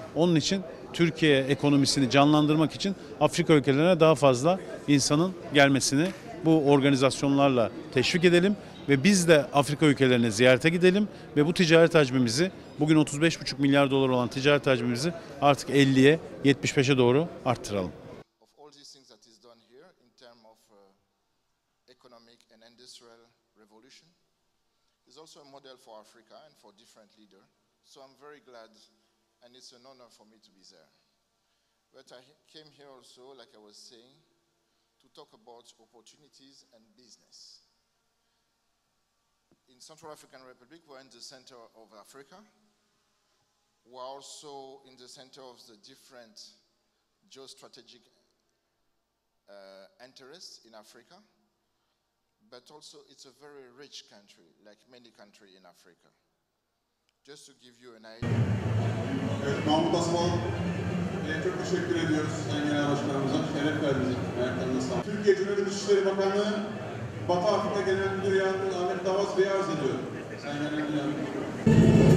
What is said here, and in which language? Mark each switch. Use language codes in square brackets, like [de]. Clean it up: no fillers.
[tr] Onun için Türkiye ekonomisini canlandırmak için Afrika ülkelerine daha fazla insanın gelmesini bu organizasyonlarla teşvik edelim ve biz de Afrika ülkelerine ziyarete gidelim ve bu ticaret hacmimizi, bugün 35,5 milyar dolar olan ticaret hacmimizi artık 50'ye 75'e doğru arttıralım. [en] Of all these things that is done here in term of economic and industrial revolution is also a model for Africa and for different leaders. So I'm very glad and it's an honor for me to be there. But I came here also, like I was saying, to talk about opportunities and business. In Central African Republic, we're in the center of Africa. We're also in the center of the different geostrategic interests in Africa. But also, it's a very rich country, like many countries in Africa. Just to give you an idea. [tr] Evet, Mahmut Asman, çok teşekkür ediyoruz Sayın Genel Başkanımıza. Şeref verdiniz. Ayaklarınız sağ olun. Türkiye Cumhuriyeti Dışişleri Bakanlığı, Batı Afrika Genel Müdürü Yardımcısı Ahmet Davaz Bey'i arz ediyor. Sayın Genel Müdürü Yardımcısı.